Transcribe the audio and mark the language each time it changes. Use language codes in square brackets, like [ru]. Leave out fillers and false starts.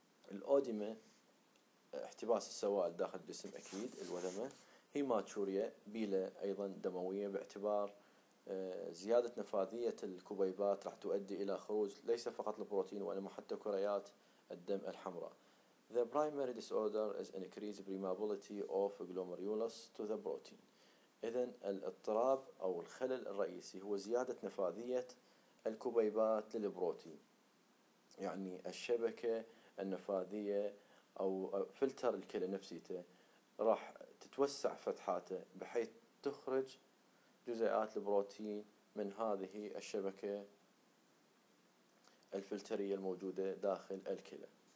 [ar] الأوديما، احتباس السوائل داخل الجسم أكيد. الوذمة، هيماتوريا بيلة أيضا دموية، باعتبار زيادة نفاذية الكبيبات راح تؤدي إلى خروج ليس فقط البروتين وإنما حتى كريات الدم الحمراء. [en] The primary disorder is increased permeability of glomerulus to the protein. [ar] إذن الاضطراب أو الخلل الرئيسي هو زيادة نفاذية الكبيبات للبروتين، يعني الشبكة النفاذية أو فلتر الكلى نفسيته راح تتوسع فتحاته بحيث تخرج جزيئات البروتين من هذه الشبكة الفلترية الموجودة داخل الكلى.